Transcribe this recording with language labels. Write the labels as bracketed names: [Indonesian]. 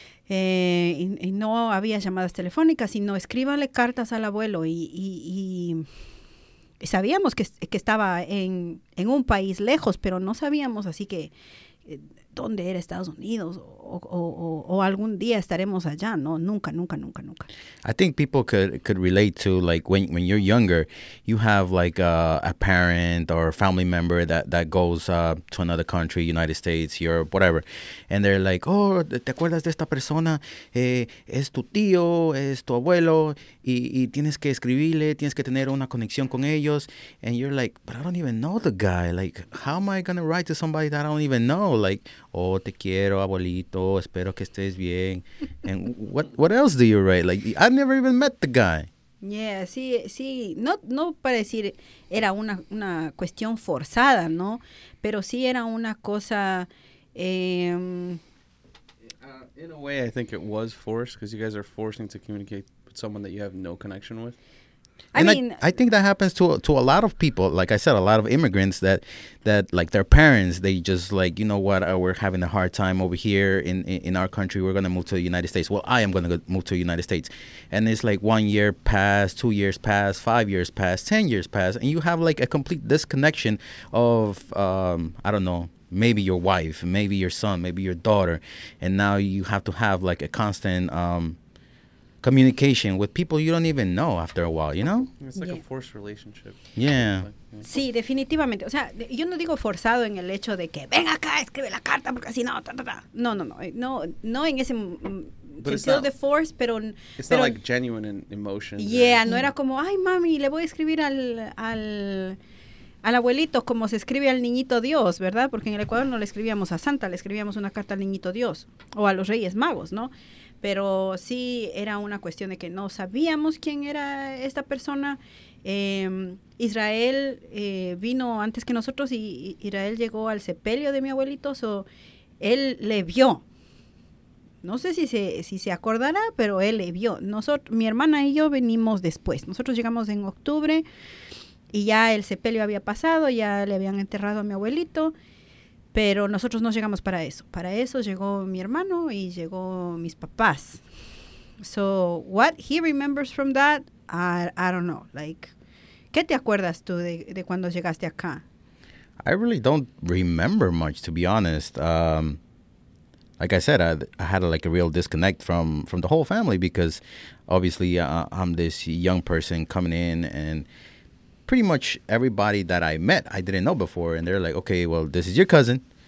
[Spanish] Y no había llamadas telefónicas, sino escríbanle cartas al abuelo. Y sabíamos que estaba en un país lejos, pero no sabíamos así que dónde era Estados Unidos o algún día estaremos allá. No, nunca, nunca, nunca, nunca. [English] I think people could relate to, like, when you're younger, you have, like, a parent or a family member that goes to another country, United States, Europe, whatever. And they're like, oh, [Spanish] ¿te acuerdas de esta persona? Es tu tío, es tu abuelo, y tienes que escribirle, tienes que tener una conexión con ellos. [English] And you're like, but I don't even know the guy. Like, how am I going to write to somebody that I don't even know? Like, oh, [Spanish] te quiero, abuelito, espero que estés bien. [English] And what else do you write? Like, I've never even met the guy. [Spanish] Yeah, sí, sí. No para decir era una cuestión forzada, ¿no? Pero sí era una cosa... [English] in a way, I think it was forced, because you guys are forcing to communicate with someone that you have no connection with. I think that happens to a lot of people. Like I said, a lot of immigrants that like their parents, they just like, you know what, we're having a hard time over here in our country. We're going to move to the United States. Well, I am going to move to the United States. And it's like 1 year passed, 2 years passed, 5 years passed, 10 years passed. And you have like a complete disconnection of, I don't know, maybe your wife, maybe your son, maybe your daughter. And now you have to have like a constant communication with people you don't even know after a while, you know? It's like a forced relationship. Yeah. Yeah. [Spanish] Sí, definitivamente. O sea, yo no digo forzado en el hecho de que ven acá, escribe la carta, porque si no, ta, ta, ta. No, no, no. No, no en ese sentido de force, pero... [English] It's not like genuine emotion. [Spanish] Yeah, no era como, ay, mami, le voy a escribir al abuelito como se escribe al niñito Dios, ¿verdad? Porque en el Ecuador no le escribíamos a Santa, le escribíamos una carta al niñito Dios o a los Reyes Magos, ¿no? Pero sí era una cuestión de que no sabíamos quién era esta persona. Israel vino antes que nosotros y Israel llegó al sepelio de mi abuelito, so él le vio. No sé si se acordará, pero él le vio. Mi hermana y yo venimos después. Nosotros llegamos en octubre y ya el sepelio había pasado, ya le habían enterrado a mi abuelito. Pero nosotros no llegamos para eso. Para eso llegó mi hermano y llegó mis papás. [English] So, what he remembers from that, I don't know. [Spanish] Like, ¿qué te acuerdas tú de cuando llegaste acá? [English] I really don't remember much, to be honest. Like I said, I had like a real disconnect from the whole family because obviously I'm this young person coming in and... Pretty much everybody that I met, I didn't know before. And they're like, okay, well, this is your cousin.